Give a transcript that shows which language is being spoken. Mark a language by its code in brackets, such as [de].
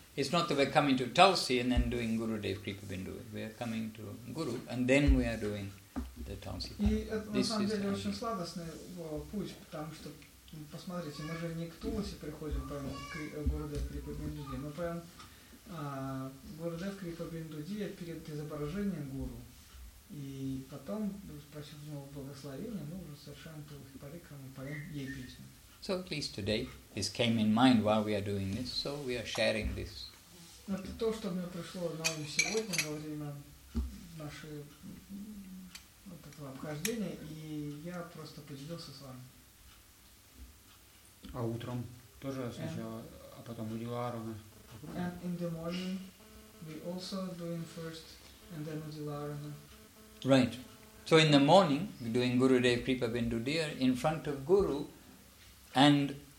[en] It's not that we're coming to Tulsi and then doing Gurudev Kripa Bindudya. We are coming to Guru and then we are doing the Tulsi [ru] parikrama. И это на самом деле очень сладостный путь, потому что, посмотрите, мы же не к Тулсе приходим, поем Gurudev Kripa Bindudya, мы поем Гурудев Крипа Бендудия перед изображением гуру. И потом, спросив у него благословения, мы уже совершаем Тулоси парикраму, поем ей песню. [en] So at least today, this came in mind while we are doing this, so we are sharing this [ru] Это то, что мне пришло на ум сегодня во время нашего вот этого обхождения, и я просто поделился с вами. А утром тоже сначала, а потом у Диларуны. [en] And in the morning we also doing first and then Udilarana. Right. So in the morning we're doing Gurudev Kripa Bindu Dear in front of Guru and